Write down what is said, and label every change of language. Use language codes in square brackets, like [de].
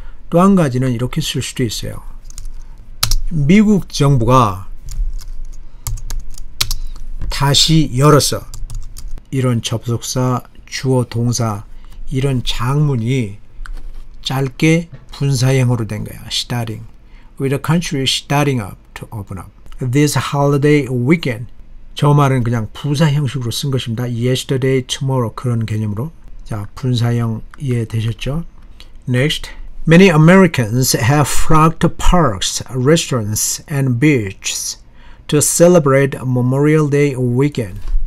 [ko] 또 한 가지는 이렇게 쓸 수도 있어요. 미국 정부가 다시 열었어. 이런 접속사, 주어, 동사, 이런 장문이 짧게 분사형으로 된 거야. [en] Starting. With the country starting up to open up. This holiday weekend. [ko] 저 말은 그냥 부사 형식으로 쓴 것입니다. [en] Yesterday, tomorrow [ko] 그런 개념으로. 자, 분사형 이해되셨죠? Next. [en] Many Americans have flocked to parks, restaurants, and beaches to celebrate Memorial Day weekend.